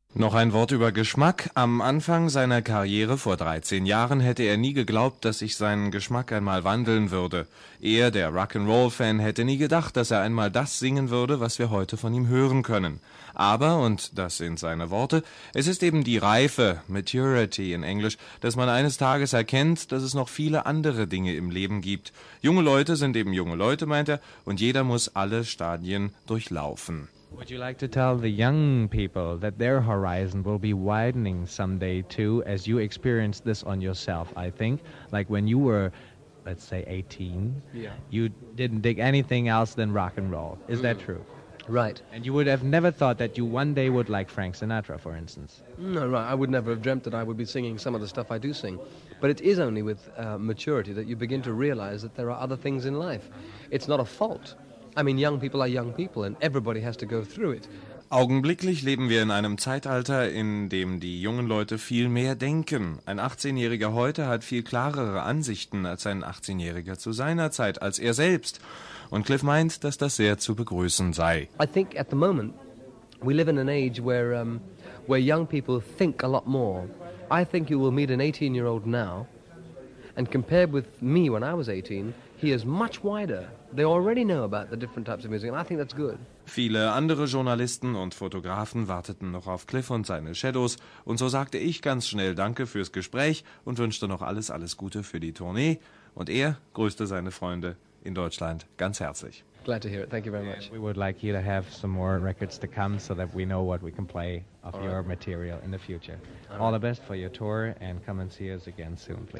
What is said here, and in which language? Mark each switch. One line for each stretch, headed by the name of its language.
German: Noch ein Wort über Geschmack. Am Anfang seiner Karriere vor 13 Jahren hätte er nie geglaubt, dass sich sein Geschmack einmal wandeln würde. Er, der Rock'n'Roll-Fan, hätte nie gedacht, dass er einmal das singen würde, was wir heute von ihm hören können. Aber, und das sind seine Worte, es ist eben die Reife, Maturity in Englisch, dass man eines Tages erkennt, dass es noch viele andere Dinge im Leben gibt. Junge Leute sind eben junge Leute, meint er, und jeder muss alle Stadien durchlaufen.
English: Would you like to tell the young people that their horizon will be widening someday too, as you experienced this on yourself, I think? Like when you were, let's say, 18, Yeah. You didn't dig anything else than rock and roll. Is that true? Right. And you would have never thought that you one day would like Frank Sinatra, for instance. No, right. I would never have dreamt that I would be singing some of the stuff I do sing. But it is only with maturity that you begin to realize that there are other things in life. It's not a fault. I mean, young people are young people and everybody has to go through it.
German: Augenblicklich leben wir in einem Zeitalter, in dem die jungen Leute viel mehr denken. Ein 18-Jähriger heute hat viel klarere Ansichten als ein 18-Jähriger zu seiner Zeit, als er selbst. Und Cliff meint, dass das sehr zu begrüßen sei.
English: I think at the moment we live in an age where where young people think a lot more. I think you will meet an 18-year-old now and compared with me when I was 18, he is much wider. They already know about the different types of music, and I think that's good.
German: Viele andere Journalisten und Fotografen warteten noch auf Cliff und seine Shadows, und so sagte ich ganz schnell Danke fürs Gespräch und wünschte noch alles, alles Gute für die Tournee. Und er grüßte seine Freunde in Deutschland ganz herzlich.
English: Glad to hear it. Thank you very much. We would like you to have some more records to come, so that we know what we can play of your material in the future. All the best for your tour, and come and see us again soon, please.